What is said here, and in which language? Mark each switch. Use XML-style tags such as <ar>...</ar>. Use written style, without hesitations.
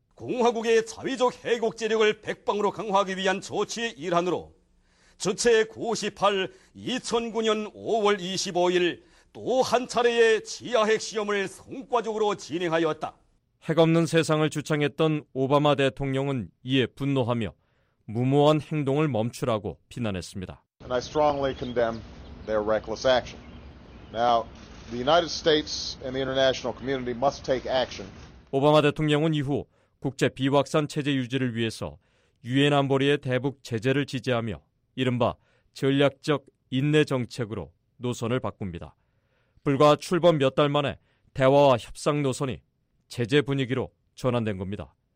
<ko>공화국의 자위적 해국제력을 백방으로 강화하기 위한 조치의 일환으로 주체 98 2009년 5월 25일 또 한 차례의 지하핵시험을 성과적으로 진행하였다. 핵 없는 세상을 주창했던 오바마 대통령은 이에 분노하며 무모한 행동을 멈추라고 비난했습니다.</ko> <en>And I strongly condemn their reckless action. Now, the United States and the international community must take action.</en> <ko>오바마 대통령은 이후 국제 비확산 체제 유지를 위해서 유엔 안보리의 대북 제재를 지지하며 이른바 전략적 인내 정책으로 노선을 바꿉니다. 불과 출범 몇 달 만에 대화와 협상 노선이 제재 분위기로 전환된 겁니다.</ko>